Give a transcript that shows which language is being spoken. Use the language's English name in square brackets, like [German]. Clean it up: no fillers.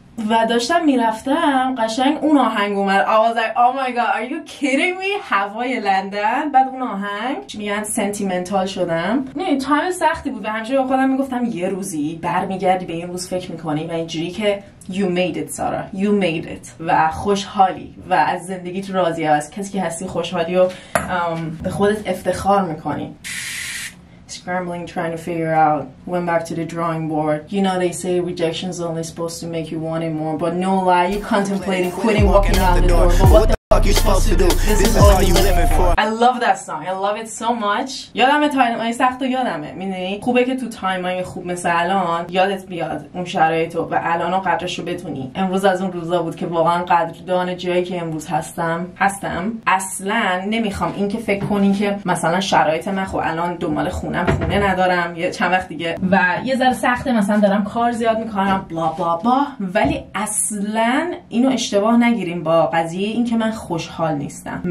[Persian] و داشتم میرفتم قشنگ اون آهنگ اومد، [English] I was like oh my god are you kidding me، [Persian] هوای لندن، بعد اون آهنگ میگن سنتیمنتال شدم. نه تایم سختی بود و همیشه با خودم میگفتم یه روزی برمیگردی به این روز فکر میکنی و اینجوری که [English] you made it [Persian] سارا، you made it و خوشحالی و از زندگیت راضی هست، کسی که هستی خوشحالی و به خودت افتخار میکنی. [English] Scrambling, trying to figure out. Went back to the drawing board. You know they say rejection's only supposed to make you want it more. But no lie, you contemplating quitting, walking out the door. But what the fuck you supposed to do? This is all you living for. I love that song. I love it so much. [Persian] یادم تایم های سخت و یادمه. میدونی؟ خوبه که تو تایم های خوب مثل الان یادت بیاد اون شرایط و الان قدرش رو بتونی. امروز از اون روزا بود که واقعا قدردان جایی که امروز هستم. اصلا نمیخوام این که فکر کنی که مثلا شرایط من خوب الان دنبال خونم خونه ندارم یه چند وقت دیگه و یه ذره سخته مثلا دارم کار زیاد میکنم بلا بلا بلا، ولی اصلا اینو اشتباه نگیریم با قضیه این که من خوشحال نیستم.